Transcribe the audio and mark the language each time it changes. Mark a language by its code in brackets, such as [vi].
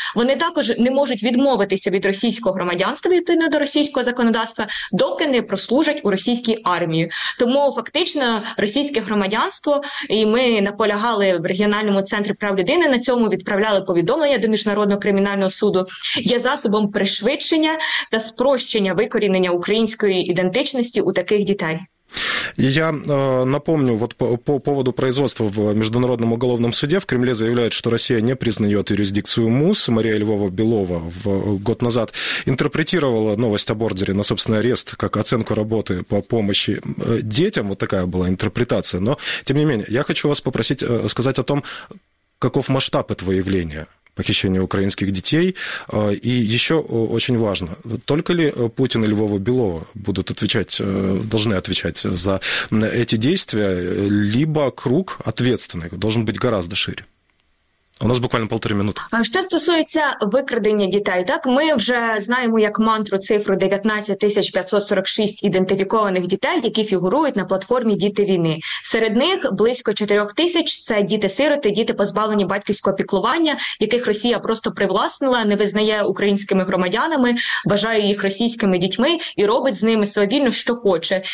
[uk] Вони також не можуть відмовитися від російського громадянства, відповідно до російського законодавства, доки не прослужать у російській армії. Тому фактично російське громадянство, і ми наполягали в регіональному центрі прав людини на цьому, відправляли повідомлення до Міжнародного кримінального суду, є засобом пришвидшення та спрощення викорінення української ідентичності у таких дітей. [ru] Я напомню, вот по поводу производства в Международном уголовном суде, в Кремле заявляют, что Россия не признает юрисдикцию МУС. Мария Львова-Белова год назад интерпретировала новость об ордере на собственный арест как оценку работы по помощи детям. Вот такая была интерпретация. Но, тем не менее, я хочу вас попросить сказать о том, каков масштаб этого явления. Похищение украинских детей. И еще очень важно, только ли Путин и Львова-Белова будут отвечать, должны отвечать за эти действия, либо круг ответственных должен быть гораздо шире. [uk] У нас буквально полтори минути. Що стосується викрадення дітей, так ми вже знаємо як мантру цифру 19546 ідентифікованих дітей, які фігурують на платформі «Діти війни». Серед них близько 4000 – це діти-сироти, діти, позбавлені батьківського піклування, яких Росія просто привласнила, не визнає українськими громадянами, вважає їх російськими дітьми і робить з ними свавільно, що хоче.